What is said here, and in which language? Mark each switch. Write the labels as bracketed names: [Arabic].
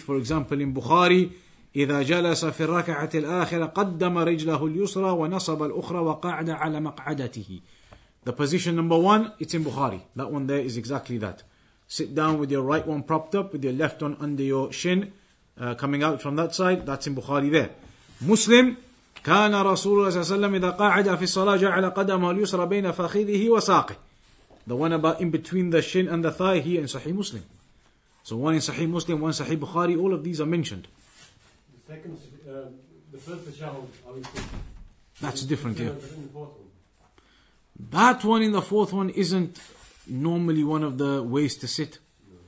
[English] For example, in Bukhari, [Arabic] إِذَا جَلَسَ فِي الرَّكَعَةِ الْآخِرَةِ قَدَّمَ رِجْلَهُ الْيُسْرَى وَنَصَبَ الْأُخْرَى وَقَعْدَ عَلَى مَقْعَدَتِهِ. [English] The position number one, it's in Bukhari. That one there is exactly that. Sit down with your right one propped up, with your left one under your shin, coming out from that side. That's in Bukhari there. [Arabic] Muslim, كان رسول الله صلى الله عليه وسلم إذا قاعد في الصلاة جعل قدمه اليسرى بين فخذه وساقه. [English] The one about in between the shin and the thigh here in Sahih Muslim. So one in Sahih Muslim, one in Sahih Bukhari, all of these are mentioned. The first Tashahhud, that's different, yeah. That one in the fourth one isn't normally one of the ways to sit. No.